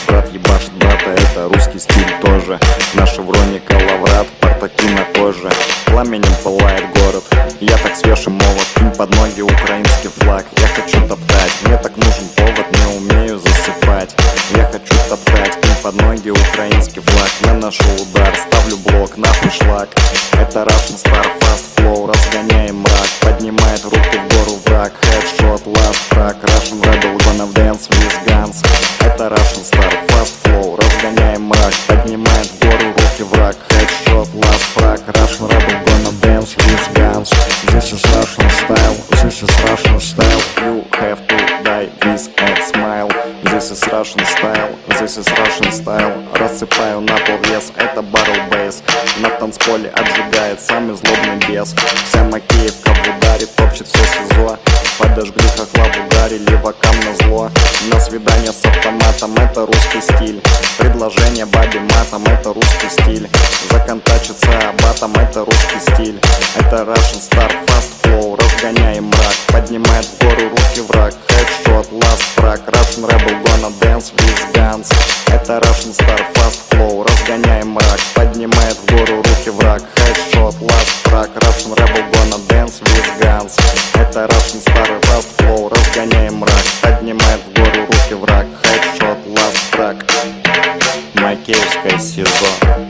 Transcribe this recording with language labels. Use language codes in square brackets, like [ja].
[ru] Брат ебашит брата, это русский стиль тоже. На шевроне калаврат, портаки на коже. Пламенем пылает город, я так свежий молот. Им под ноги украинский флаг, я хочу топтать. Мне так нужен повод, не умею засыпать. Я хочу топтать, им под ноги украинский флаг. Я наношу удар, ставлю блок, нахуй шлак. Это [en] Russian Star, fast flow, [ru] разгоняем мрак. Поднимает руки в гору враг, [en] headshot, last track. Russian rebel, gonna dance with guns. [ru] Это [en] Russian Star, fast flow, [ru] разгоняем мрак. Поднимает в гору руки враг, [en] headshot, last track. Russian rebel, gonna dance with guns. This is Russian style, this is Russian style. You have to die with a smile. This is Russian style, this is Russian style. [ru] Рассыпаю на пол вес, это [en] barrel bass. [ru] На танцполе отжигает самый злобный бес. Вся Макеевка в ударе, топчет все СИЗО. Подожгли хохла в ударе, левакам назло. На свидание с автоматом, это русский стиль. Предложение бабе матом, это русский стиль. Законтачиться абатом, это русский стиль. Это [en] Russian star, fast flow, [ru] разгоняем мрак. Поднимает в гору руки враг, [en] headshot, last frag. Russian rebel, gonna dance with guns. [ru] Это [en] Russian star, fast flow, [ru] разгоняем мрак. Поднимает в гору руки враг, [en] headshot, last frag. Russian rebel, gonna dance with guns. [ru] Это [en] Russian star, fast flow, [ru] разгоняем мрак. Поднимает в гору руки враг, [en] headshot, last frag. [ru] Макеевское СИЗО.